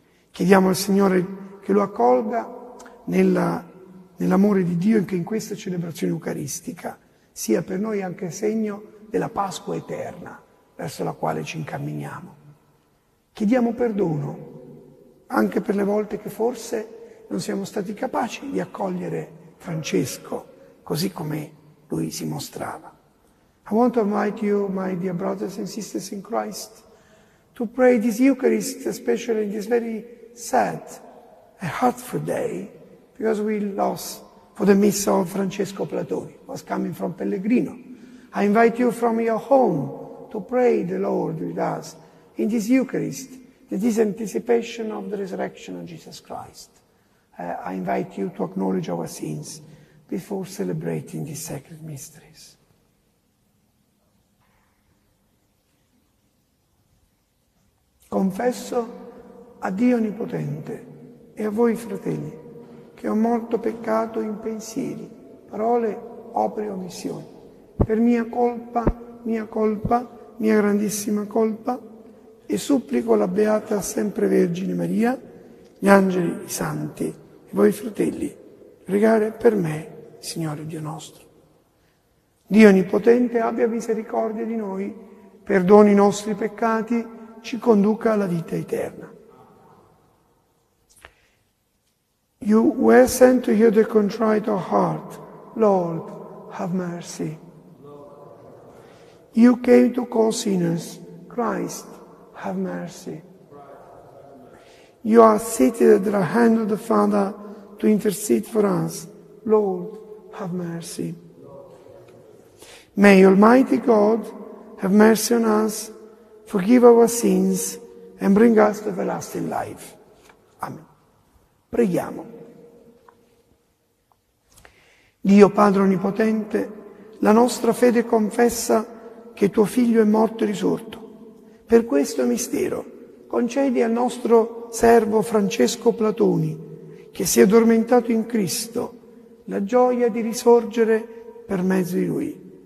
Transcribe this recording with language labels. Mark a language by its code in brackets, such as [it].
[it] Chiediamo al Signore che lo accolga nell'amore di Dio e che in questa celebrazione eucaristica sia per noi anche segno della Pasqua eterna verso la quale ci incamminiamo. Chiediamo perdono anche per le volte che forse non siamo stati capaci di accogliere Francesco così come lui si mostrava. [en] I want to invite you, my dear brothers and sisters in Christ, to pray this Eucharist, especially in this very sad and heartful day, because we lost for the miss of Francesco Platoni, who was coming from Pellegrino. I invite you from your home to pray the Lord with us in this Eucharist, that is anticipation of the resurrection of Jesus Christ. I invite you to acknowledge our sins before celebrating these sacred mysteries. [it] Confesso a Dio Onnipotente e a voi, fratelli, che ho molto peccato in pensieri, parole, opere e omissioni. Per mia grandissima colpa, e supplico la Beata sempre Vergine Maria, gli angeli, i santi, e voi, fratelli, pregare per me, Signore Dio nostro. Dio Onnipotente abbia misericordia di noi, perdoni i nostri peccati, ci conduca alla vita eterna. [en] You were sent to hear the contrite of heart, Lord, have mercy. You came to call sinners, Christ, have mercy. You are seated at the hand of the Father to intercede for us, Lord, have mercy. May Almighty God have mercy on us, forgive our sins, and bring us to everlasting life. [it] Amen. Preghiamo. Dio Padre Onnipotente, la nostra fede confessa che tuo Figlio è morto e risorto. Per questo mistero, concedi al nostro servo Francesco Platoni, che si è addormentato in Cristo, la gioia di risorgere per mezzo di lui.